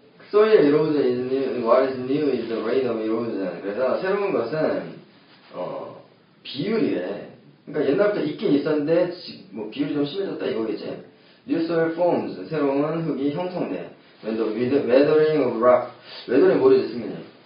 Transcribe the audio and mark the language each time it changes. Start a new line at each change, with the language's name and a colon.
Korean: 소일 이루어진
English: what is new is the rate of erosion.
Korean: 그래서 새로운 것은 비율이래. 그러니까 옛날부터 있긴 있었는데 뭐 비율이 좀 심해졌다 이거겠지.
English: New soil forms,
Korean: 새로운 흙이 형성돼.
English: When the weathering of rock,
Korean: 웨더링 모르겠으면